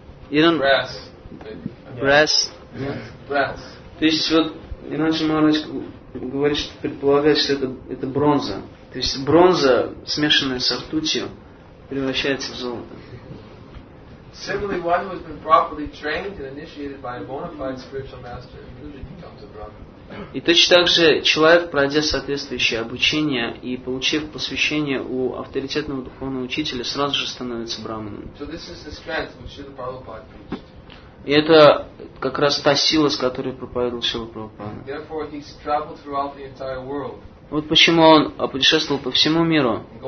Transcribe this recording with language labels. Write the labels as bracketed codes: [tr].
[en] Brass. Brass. Brass. [ru] То есть вот, иначе Махарадж говорит, что предполагает, что это бронза. То есть бронза, смешанная с ртутью, превращается в золото. [en] Similarly, one who has been properly trained and initiated by a bona fide spiritual master usually becomes a brahmin. [ru] И точно так же человек, пройдя соответствующее обучение и получив посвящение у авторитетного духовного учителя, сразу же становится брахманом. [en] So this is the strength which Srila Prabhupada preached. [ru] И это как раз та сила, с которой проповедовал Шрила Прабхупада. Вот почему он путешествовал по всему миру.